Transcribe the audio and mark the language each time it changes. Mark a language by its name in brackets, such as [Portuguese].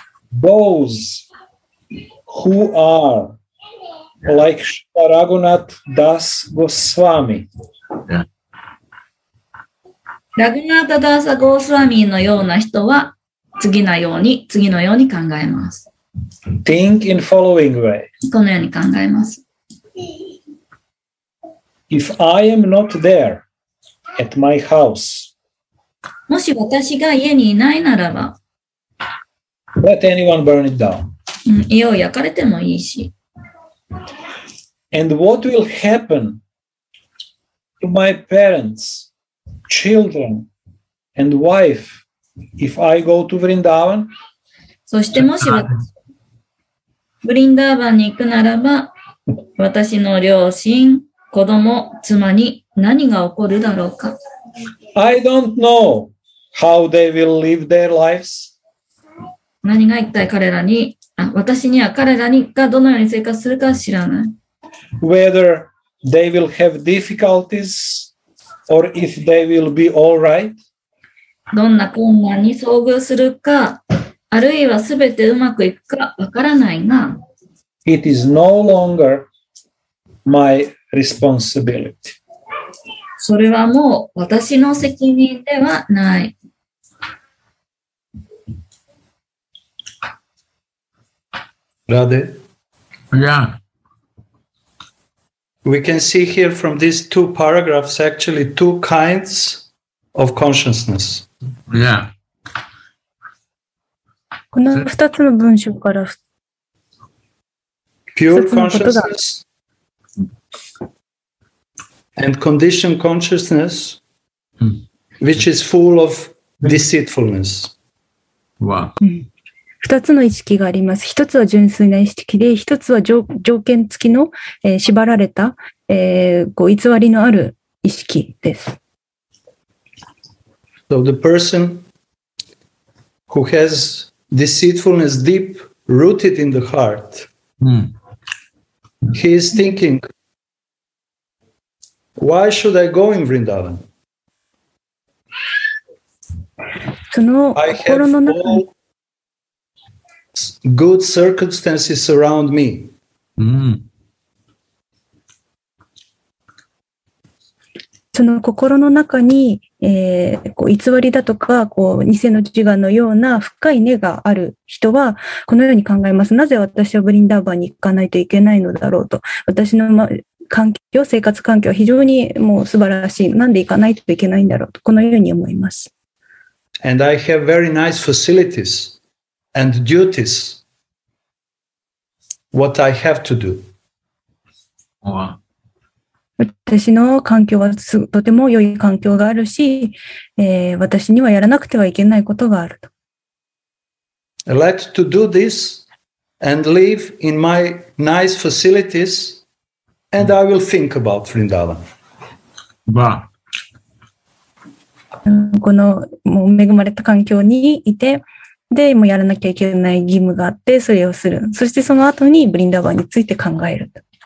[English] Those who are like Shri Raghunath Das Goswami. [Japanese] ラグナータダーサ・ゴースワミーのような人は次のように考えます。 [English] Think in following way. [Japanese] このように考えます。 [English] If I am not there at my house, [Japanese] もし私が家にいないならば、 [English] let anyone burn it down. [Japanese] 家を焼かれてもいいし。 [English] And what will happen to my parents? Children and wife, if I go to Vrindavan. [Japanese] そしてもし私ブリンダーバンに行くならば、私の両親、子供、妻に何が起こるだろうか。 [English] I don't know how they will live their lives. [Japanese] 何が一体彼らに、私には彼らにがどのように生活するか知らない。 [English] Whether they will have difficulties. Or if they will be all right. [Japanese] どんな困難に遭遇するか、あるいはすべてうまくいくかわからないが、 [English] It is no longer my responsibility. [Japanese] それはもう私の責任ではない。 [English] Radha? Yeah. We can see here from these two paragraphs actually two kinds of consciousness. Yeah. [Japanese] この二つの文章から [English] pure consciousness and conditioned consciousness, which is full of deceitfulness. Wow. [Japanese] 二つの意識があります。一つは純粋な意識で、一つは条件付きの、縛られた。こう偽りのある意識です。 [English] So the person who has deceitfulness deep rooted in the heart, he is thinking, why should I go in Vrindavan? [Japanese] その心の中に。 [English] I have all good circumstances around me. [Japanese] その心の中に、こう偽りだとかこう偽の自我のような深い根がある人はこのように考えます。なぜ私はブリンダーバンに行かないといけないのだろうと。私の、ま、環境、生活環境は非常にもう素晴らしい。なんで行かないといけないんだろうと。このように思います。 [English] And I have very nice facilities and duties. What I have to do. Wow. [Japanese] 私の環境はとても良い環境があるし、私にはやらなくてはいけないことがあると。 [English] Let to do this and live in my nice facilities and I will think about Vrindavan. Wow. [Japanese] このもう恵まれた環境にいて、でもやらなきゃいけない義務があってそれをする。そしてその後にブリンダーバンについて考えると。